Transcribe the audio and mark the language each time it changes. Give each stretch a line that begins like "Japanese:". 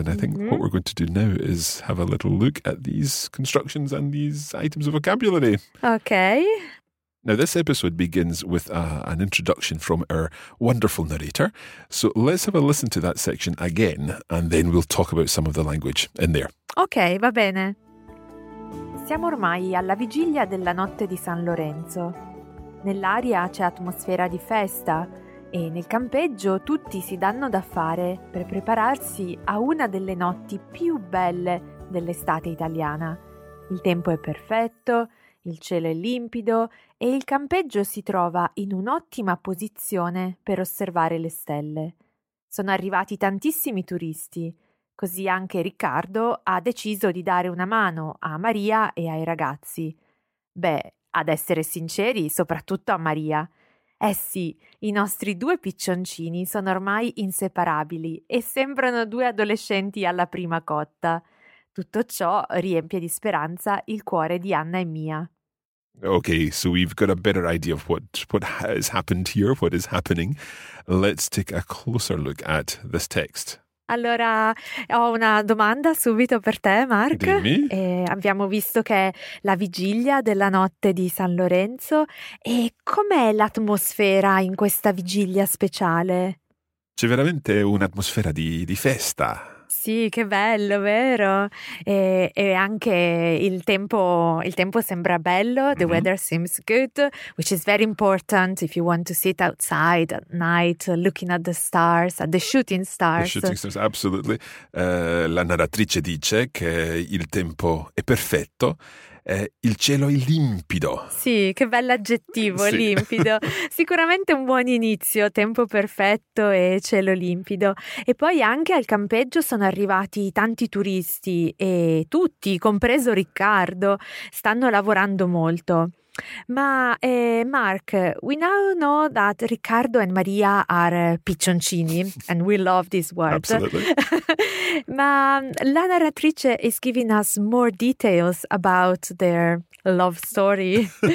English: And I think what we're going to do now is have a little look at these constructions and these items of vocabulary. Okay. Now, this episode begins with an introduction from our wonderful narrator. So let's have a listen to that section again, and then we'll talk about some of the language in there.
Italian: Okay, va bene. Siamo ormai alla vigilia della notte di San Lorenzo. Nell'aria c'è atmosfera di festa e nel campeggio tutti si danno da fare per prepararsi a una delle notti più belle dell'estate italiana. Il tempo è perfetto, il cielo è limpido e il campeggio si trova in un'ottima posizione per osservare le stelle. Sono arrivati tantissimi turisti, così anche Riccardo ha deciso di dare una mano a Maria e ai ragazzi. Beh, ad essere sinceri, soprattutto a Maria. Eh sì, i nostri due piccioncini sono ormai inseparabili e sembrano due adolescenti alla prima cotta. Tutto ciò riempie di speranza il cuore di Anna e Mia.
English: Okay, so we've got a better idea of what has happened here, what is happening. Let's take a closer look at this text.
Italian: Allora, ho una domanda subito per te, Mark. Dimmi. Abbiamo visto che è la vigilia della notte di San Lorenzo. E com'è l'atmosfera in questa vigilia speciale? C'è veramente un'atmosfera di festa. Sì, che bello, vero? E anche il tempo sembra bello.
English: The weather seems good, which is very important if you want to sit outside at night looking at the stars, at the shooting stars. The shooting stars, absolutely.
Italian: La narratrice dice che il tempo è perfetto. Il cielo è limpido. Sì, che bell'aggettivo, sì. Limpido. Sicuramente un buon inizio, tempo perfetto e cielo limpido. E poi anche al campeggio sono arrivati tanti turisti e tutti, compreso Riccardo, stanno lavorando molto. Ma
English: Mark, we now know that Riccardo and Maria are piccioncini, and we love this word. Absolutely.
Italian: Ma la narratrice
English: is giving us more details about their love story.